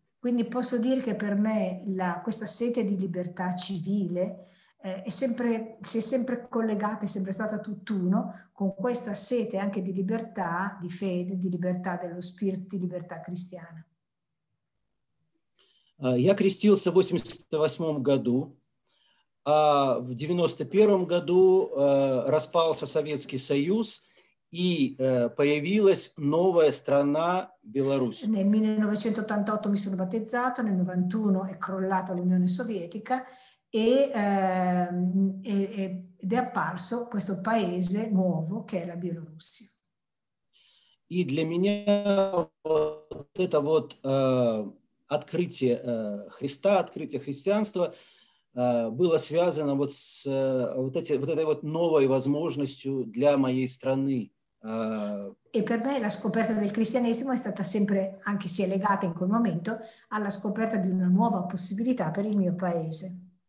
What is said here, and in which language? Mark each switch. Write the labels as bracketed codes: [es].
[it] Quindi posso dire che per me la, questa sete di libertà civile è sempre, si è sempre collegata, è sempre stata tutt'uno con questa sete anche di libertà, di fede, di libertà dello spirito, di libertà cristiana. [ru] Я крестился в 88 году, а в 91 году распался Советский Союз и появилась новая страна Беларусь. [it] Nel 1988 mi sono battezzato, nel 91 è crollata l'Unione Sovietica ed è apparso questo paese nuovo che è la Bielorussia. [ru] И для меня вот это вот открытие Христа, открытие христианства было связано вот с вот этой вот новой возможностью для моей страны. [it] E per me la scoperta del cristianesimo è stata sempre, anche se legata in quel momento, alla scoperta di una nuova possibilità per il mio paese.